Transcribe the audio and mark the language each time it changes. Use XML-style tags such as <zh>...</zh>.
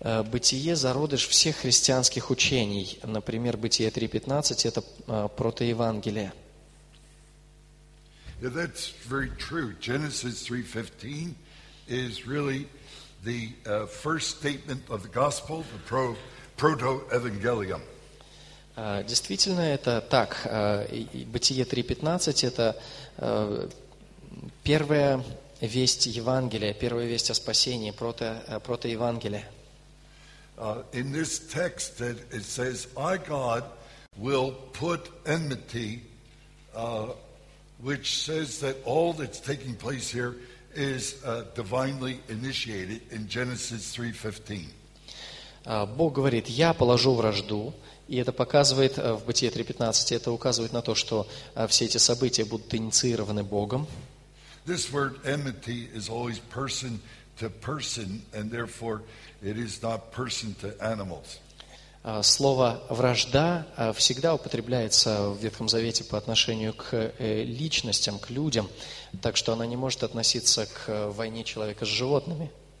<ru>Бытие – зародыш всех христианских учений. Например, Бытие 3:15 – это протоевангелие.</ru> <en>Yeah, that's very true. Genesis 3:15 is really the first statement of the gospel, the proto-evangelium.</en> <ru>Действительно, это так. Бытие 3:15 – это первая весть Евангелия, первая весть о спасении, протоевангелие.</ru> <en>In this text, it says, I, God, will put enmity, which says that all that's taking place here is divinely initiated in Genesis 3:15.</en> <ru>Бог говорит, я положу вражду, и это показывает в Бытие 3:15, это указывает на то, что все эти события будут инициированы Богом.</ru> <en>This word enmity is always person to person, and therefore it is not person to animals.</en> <ru>Слово «вражда» всегда употребляется в Ветхом Завете по отношению к личностям, к людям, так что она не может относиться к войне человека с животными.</ru>